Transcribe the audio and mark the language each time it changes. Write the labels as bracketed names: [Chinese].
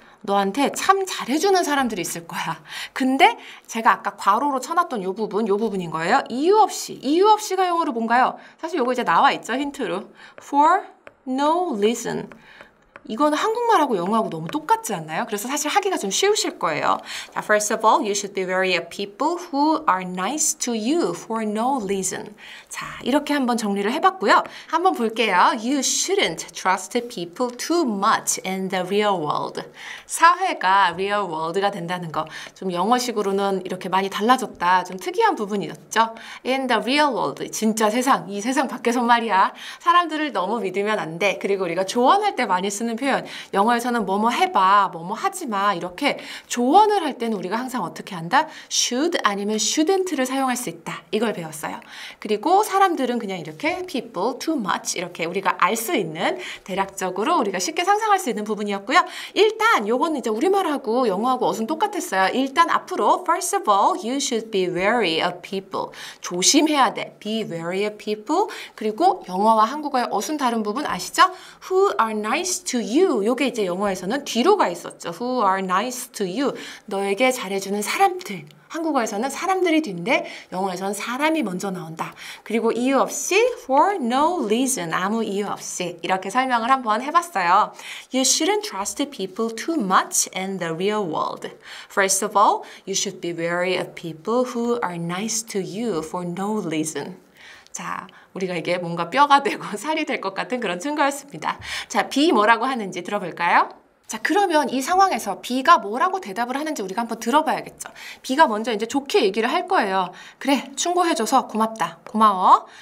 [Korean] 너한테 참 잘해주는 사람들이 있을 거야. 근데 제가 아까 괄호로 쳐놨던 이 부분, 이 부분인 거예요. 이유 없이. 이유 없이가 영어로 뭔가요? 사실 이거 이제 나와 있죠, 힌트로. [English] For no reason. [Korean] 이건 한국말하고 영어하고 너무 똑같지 않나요? 그래서 사실 하기가 좀 쉬우실 거예요. [English] First of all, you should be wary of people who are nice to you for no reason. [Korean] 자, 이렇게 한번 정리를 해봤고요. 한번 볼게요. [English] You shouldn't trust people too much in the real world. [Korean] 사회가 [English] real world [Korean] 가 된다는 거. 좀 영어식으로는 이렇게 많이 달라졌다. 좀 특이한 부분이었죠? [English] In the real world, [Korean] 진짜 세상, 이 세상 밖에서 말이야. 사람들을 너무 믿으면 안 돼. 그리고 우리가 조언할 때 많이 쓰는 표현. 영어에서는 뭐뭐 해봐, 뭐뭐 하지마 이렇게 조언을 할 때는 우리가 항상 어떻게 한다? should 아니면 shouldn't를 사용할 수 있다. 이걸 배웠어요. 그리고 사람들은 그냥 이렇게 [English] people too much [Korean] 이렇게 우리가 알 수 있는 대략적으로 우리가 쉽게 상상할 수 있는 부분이었고요. 일단 요건 이제 우리말하고 영어하고 어순 똑같았어요. 일단 앞으로 [English] first of all you should be wary of people. [Korean] 조심해야 돼. [English] be wary of people. [Korean] 그리고 영어와 한국어의 어순 다른 부분 아시죠? [English] who are nice to you. [Korean] 요게 이제 영어에서는 뒤로 가 있었죠. [English] Who are nice to you? [Korean] 너에게 잘해주는 사람들. 한국어에서는 사람들이 뒤인데 영어에서는 사람이 먼저 나온다. 그리고 이유 없이 [English] for no reason. [Korean] 아무 이유 없이. 이렇게 설명을 한번 해봤어요. [English] You shouldn't trust people too much in the real world. First of all, you should be wary of people who are nice to you for no reason. [Korean] 자, 우리가 이게 뭔가 뼈가 되고 살이 될 것 같은 그런 증거였습니다. 자, B 뭐라고 하는지 들어볼까요? 자, 그러면 이 상황에서 B가 뭐라고 대답을 하는지 우리가 한번 들어봐야겠죠. B가 먼저 이제 좋게 얘기를 할 거예요. 그래, 충고해줘서 고맙다. 고마워.